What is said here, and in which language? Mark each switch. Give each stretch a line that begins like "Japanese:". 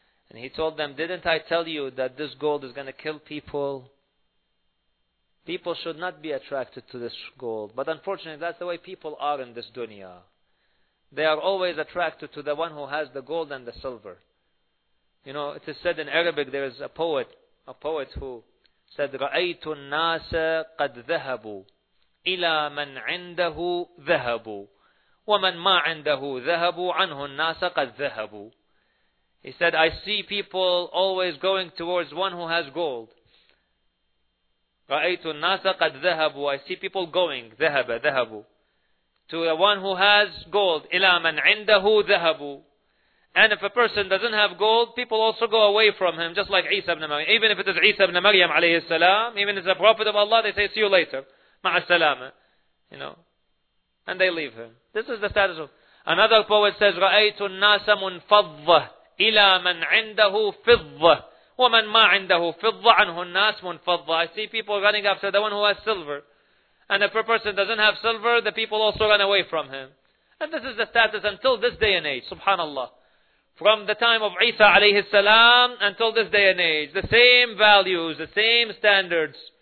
English: And he told them, didn't I tell you that this gold is going to kill people? People should not be attracted to this gold. But unfortunately, that's the way people are in this dunya. They are always attracted to the one who has the gold and the silver. You know, it is said in Arabic, there is a poet who said,
Arabic: رَأَيْتُ النَّاسَ قَدْ ذَهَبُوا إِلَى مَنْ عِنْدَهُ ذَهَبُوا وَمَنْ مَا عِنْدَهُ ذَهَبُوا عَنْهُ النَّاسَ قَدْ ذَهَبُوا.
English: He said, I see people always going towards one who has gold.
Arabic: رَأَيْتُ النَّاسَ قَدْ ذَهَبُوا.
English: I see people going,
Arabic: ذَهَبُوا,
English: to the one who has gold.
Arabic: إِلَى مَنْ عِنْدَهُ ذَهَبُوا.
English: And if a person doesn't have gold, people also go away from him, just like Isa ibn Maryam. Even if it is Isa ibn Maryam, alayhi salam, even if it's a prophet of Allah, they say, see you later.
Arabic: مَعَ السَّلَامَ.
English: You know. And they leave him. This is the status of... Another poet says,
Arabic: رَأَيْتُ النَّاسَ مُنْفَضَّةً إِلَى مَنْ عِنْدَهُ فِضَّةٌ وَمَنْ مَا عِنْدَهُ فِضَّةٌ عَنْهُ النَّاسُ مُنْفَضَّةٌ.
English: I see people running after the one who has silver. And if a person doesn't have silver, the people also run away from him. And this is the status until this day and age, subhanallah. From the time of Isa alayhi salam until this day and age, the same values, the same standards.